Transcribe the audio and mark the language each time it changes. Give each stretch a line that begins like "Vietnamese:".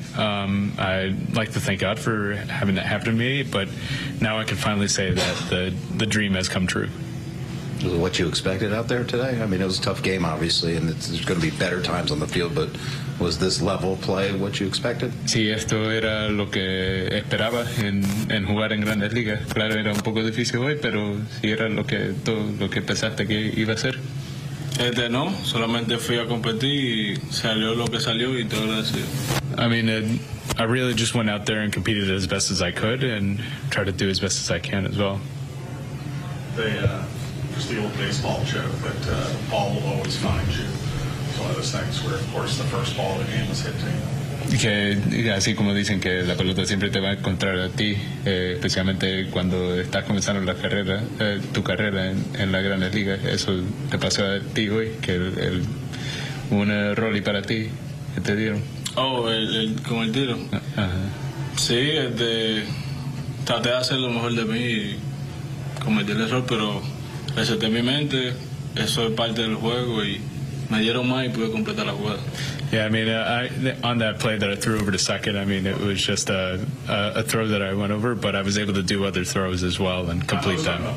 English: I'd like to thank God for having that happen to me, but now I can finally say that the dream has come true. What you expected out there today? I mean, it was a tough game, obviously, and there's going to be better times on the field, but was this level of play what you expected?
Spanish: Sí, esto era lo que esperaba en jugar en Grandes Ligas. Claro, era un poco difícil hoy, pero sí era lo que pensaste que iba a ser. No, solamente fui a competir y salió lo que salió y todo gracias.
English: I mean, I really just went out there and competed as best as I could and tried to do as best as I can as well. Just the old baseball joke, but ball will always find you. It's one of those things where, of course, the first ball of the game is hit to you.
Spanish: Que así como dicen que la pelota siempre te va a encontrar a ti, especialmente cuando estás comenzando la carrera, tu carrera en la Grandes Ligas, eso te pasó a ti hoy, que el un rol para ti que te dieron. Oh, el con el tiro. Sí, traté de hacer lo mejor de mí y cometí el error, pero reseté mi mente, eso es parte del juego y me dieron más y pude completar la jugada.
English: Yeah, I mean, on that play that I threw over to second, I mean, it was just a throw that I went over, but I was able to do other throws as well and complete them.